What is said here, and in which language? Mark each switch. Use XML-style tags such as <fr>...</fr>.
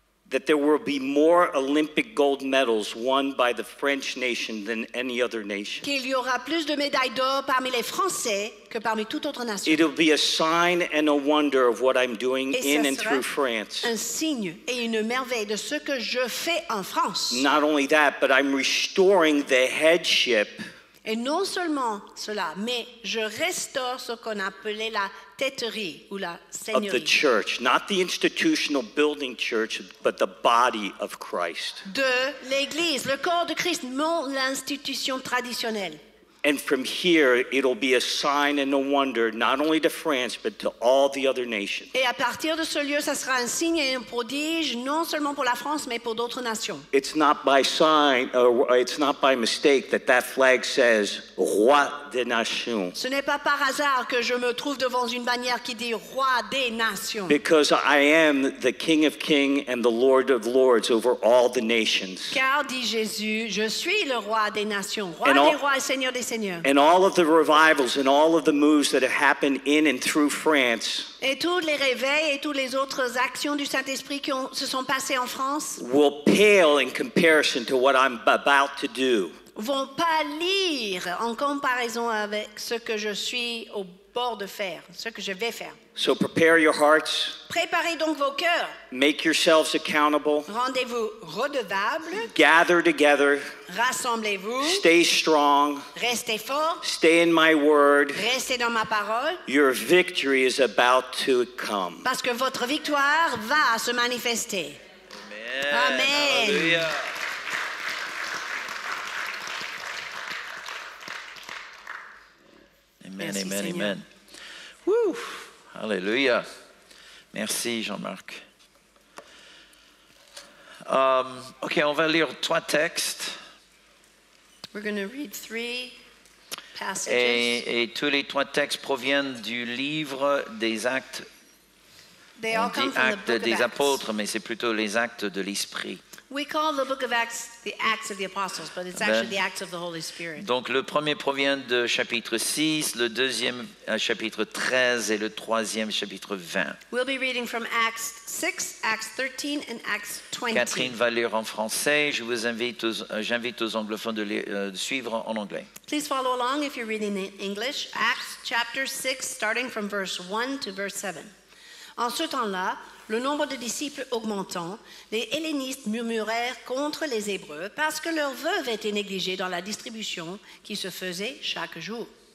<en>that there will be more Olympic gold medals won by the French nation than any other nation.</en> <fr>Qu'il y aura plus de médailles d'or parmi les Français que parmi toute autre nation.</fr> <en>It will be a sign and a wonder of what I'm doing</en> <fr>et</fr> <en>in and through France.</en> <fr>Un signe et une merveille de ce que je fais en France.</fr> <en>Not only that, but I'm restoring the headship.</en> <fr>Et non seulement cela, mais je restaure ce qu'on appelait la têterie ou la seigneurie.</fr> <en>Of the church, not the institutional building church, but the body of Christ.</en> <fr>De l'église, le corps de Christ, non l'institution traditionnelle.</fr> <en>And from here, it'll be a sign and a wonder, not only to France, but to all the other nations.</en> <fr>Et à partir de ce lieu, ça sera un signe et un prodige, non seulement pour la France, mais pour d'autres nations.</fr> <en>It's not by sign, or it's not by mistake that that flag says, Roi des Nations.</en> <fr>Ce n'est pas par hasard que je me trouve devant une bannière qui dit, Roi des Nations.</fr> <en>Because I am the King of Kings and the Lord of Lords over all the nations.</en> <fr>Car, dit Jésus, je suis le Roi des Nations, Roi des Rois et Seigneur des</fr> <en>and all of the revivals and all of the moves that have happened in and through France.</en> <fr>Et tous les réveils et toutes les autres actions du Saint-Esprit qui se sont passées en France</fr> <en>will pale in comparison to what I'm about to do.</en> <fr>Vont pâlir en comparaison avec ce que je suis au bord de faire, ce que je vais faire.</fr> <en>So prepare your hearts.</en> <fr>Préparez donc vos cœurs.</fr> <en>Make yourselves accountable.</en> <fr>Rendez-vous redevables.</fr> <en>Gather together.</en> <fr>Rassemblez-vous.</fr> <en>Stay strong.</en> <fr>Restez fort.</fr> <en>Stay in my word.</en> <fr>Restez dans ma parole.</fr> <en>Your victory is about to come.</en> <fr>Parce que votre victoire va se manifester.</fr> <en>Amen. Amen. Amen,</en> <fr>merci, amen, Seigneur. Amen. Woo! Hallelujah. Merci, Jean-Marc. Okay, on va lire trois textes.</fr> <en>We're going to read three passages.</en> <fr>Et tous les trois textes proviennent du livre des Actes.</fr> <en>They all come from the book of</en> <fr>des apôtres, mais c'est plutôt les Actes de l'Esprit.</fr> <en>We call the book of Acts the Acts of the Apostles, but it's actually the Acts of the Holy Spirit.</en> <fr>Donc le premier provient de chapitre 6, le deuxième chapitre 13 et le troisième chapitre 20.</fr> <en>We'll be reading from Acts 6, Acts 13 and Acts 20.</en> <fr>Kathryn va lire en français. Je vous invite j'invite aux anglophones de suivre en anglais.</fr> <en>Please follow along if you're reading in English. Acts chapter 6 starting from verse 1 to verse 7.</en> <fr>En ce temps-là, le nombre de disciples augmentant, les hellénistes murmurèrent contre les Hébreux parce que leur veuve était négligée dans la distribution qui se faisait chaque jour.</fr>